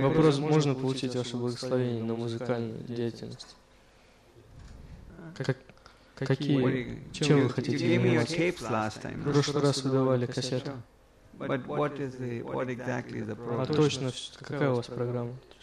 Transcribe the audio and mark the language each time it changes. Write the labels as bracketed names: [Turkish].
[Russian] Вопрос, можно получить ваше благословение на музыкальную деятельность? Какие? Чем вы хотите заниматься? В прошлый раз вы давали кассету. [English] But what is the, what exactly is the program? [Russian] А точно, какая у вас программа?